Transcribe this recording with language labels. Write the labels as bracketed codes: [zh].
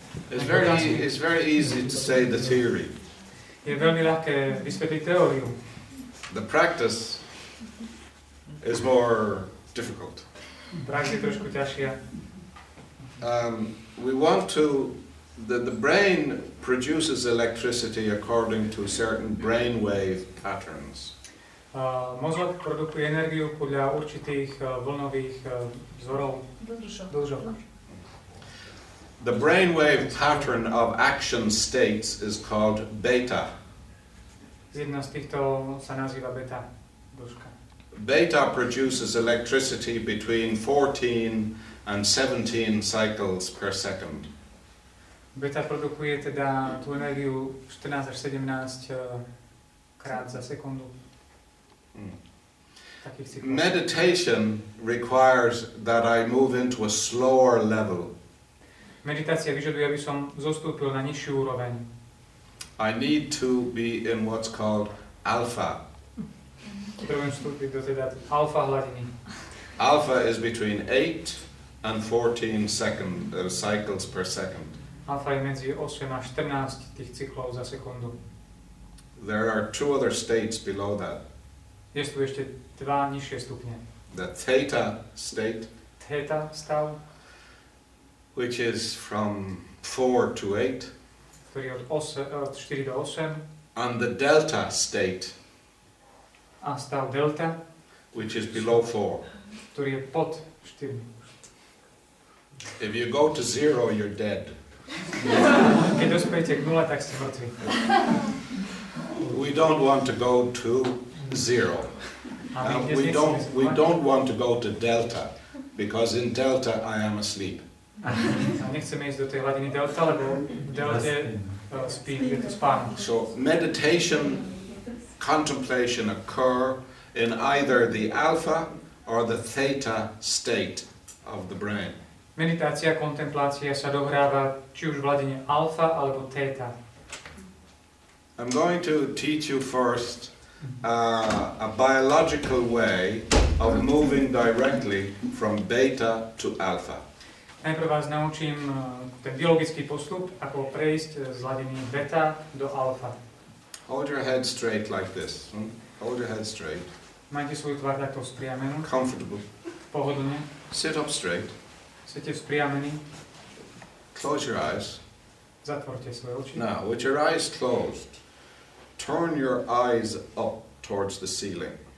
[en] It's very easy to say the theory. [sk] Je veľmi ľahké vysvetliť teóriu. [en] The practice is more difficult. [sk] Prax je trošku ťažšia. [en] We want to the brain produces electricity according to certain brain wave patterns. [sk] Mozog produkuje energiu podľa určitých vlnových vzorov. Dlžok. [en] The brain wave pattern of action states is called beta. [sk] Jedna z týchto sa nazýva beta dĺžka. [en] Beta produces electricity between 14 and 17 cycles per second. [sk] Beta produkuje teda tú energiu 14 až 17 krát za sekundu. [en] Meditation requires that I move into a slower level. [sk] Meditácia vyžaduje, aby som zostúpil na nižšiu úroveň. [en] I need to be in what's called alpha. [sk] Potrebujem vstúpiť do teda alfa hladiny. [en] Alpha is between 8 and 14 cycles per second. [sk] Alfa je medzi 8 a 14 tých cyklov za sekundu. [en] There are two other states below that. [sk] Je tu ešte dva nižšie stupne. [en] The theta state. [sk] Theta stav. [en] Which is from 4 to 8. [sk] Ktorý je od 4 do 8. [en] And the delta state. [sk] A stav delta. [en] Which is below 4. [sk] Ktorý je pod 4. [en] If you go to 0, you're dead. [sk] Keď dospiete k 0, tak ste mŕtvi. [en] We don't want to go to 0. We don't want to go to delta. Because in delta, I am asleep. [sk] A nechceme ísť do tej hladiny delta, lebo delta je to spánok. [en] So meditation, contemplation occur in either the alpha or the theta state of the brain. [sk] Meditácia, kontemplácia sa dohráva či už v hladine alfa alebo theta. [en] I'm going to teach you first a biological way of moving directly from beta to alpha. [sk] Najprv vás naučím ten biologický postup, ako prejsť z hladiny beta do alfa. [en] Hold your head straight like this. Hold your head straight. [sk] Majte svoju tvár takto spriamenú. [en] Comfortable. [sk] Pohodlne. [en] Sit up straight. [sk] Sedte spriamení. [en] Close your eyes. [sk] Zatvorte svoje oči. [en] Now, with your eyes closed, turn your eyes up towards the ceiling.